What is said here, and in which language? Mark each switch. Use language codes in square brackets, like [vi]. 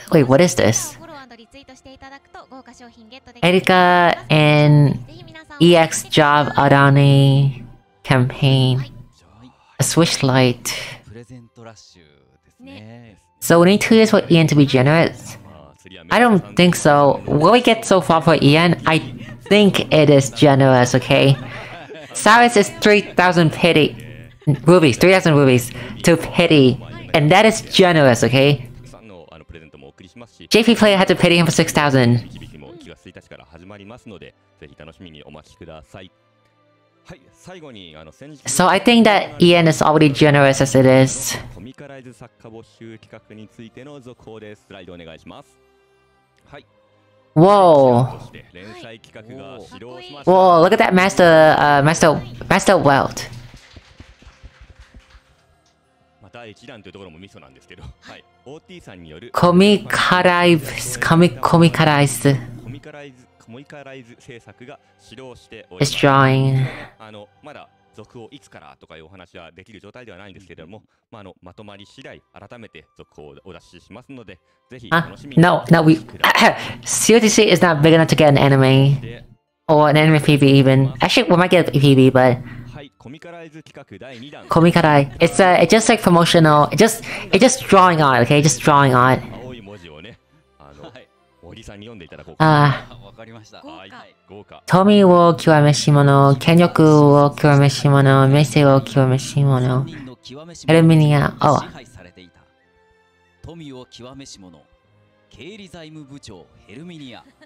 [en] Wait, what is this? [ja] フォロー&リツイートしていただくと豪華商品ゲットできます。エリカ&EX ジョブアラウネキャンペーン、はい、スウィッシュライト、プレゼントラッシュですね。 [en] So we need 2 years for Ian to be generous? I don't think so. What we get so far for Ian, I think it is generous, okay? Cyrus is 3000 pity. Rubies, 3000 rubies to pity, and that is generous, okay? JP player had to pity him for 6000. [ja] 響きも気が付いたしから始まりますので、ぜひ楽しみにお待ちください。はい、最後にあの先日。 [en] So I think that Ian is already generous as it is. [ja] コミカライズ作家募集企画についての続報です。スライドお願いします。はい。 [en] Whoa. [ja] はい。 [en] Whoa, look at that master, master wealth. [ja] 一段というところもミソなんですけど、はい、OT さんによるコミカライズ、コミカライズ、コミカライズ、コミカライズ制作が始動しております [en] 。 Drawing。 [ja] あのまだ続報いつからとかいうお話はできる状態ではないんですけれども、うん、まああのまとまり次第改めて続報をお出ししますので、ぜひ楽しみに。 [en] No, we COTC is not big enough to get an anime or an anime PV even. Actually, we might get a PV, but. [ja] コミカライズ企画第2弾。 [en] コミカライ、it's just like promotional, it's just drawing art, okay, just drawing art. [ja] 青い文字をね、あの、はい、森さんに読んでいただこうか。わかりました。豪華、はい、豪華。富を極めし者、権力を極めし者、名声を極めし者、エルミニア、支配されていた。富を極めし者、経理財務部長、ヘルミニア。